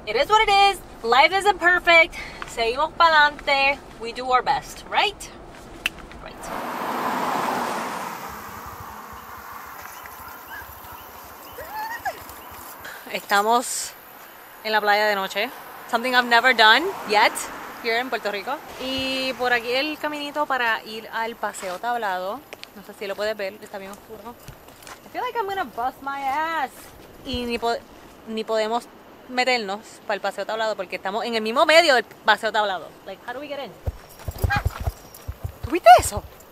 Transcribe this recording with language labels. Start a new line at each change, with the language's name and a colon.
English: It is what it is. Life isn't perfect.
Spanish: Seguimos para adelante.
English: We do our best, right? Right.
Spanish: Estamos en la playa de noche.
English: Something I've never done yet here in Puerto Rico.
Spanish: Y por aquí el caminito para ir al Paseo Tablado. No sé si lo puedes ver, está bien oscuro.
English: I feel like I'm gonna bust my ass.
Spanish: Y ni podemos meternos para el Paseo Tablado porque estamos en el mismo medio del Paseo Tablado.
English: Like, how do we get in?
Spanish: ¿Tuviste eso?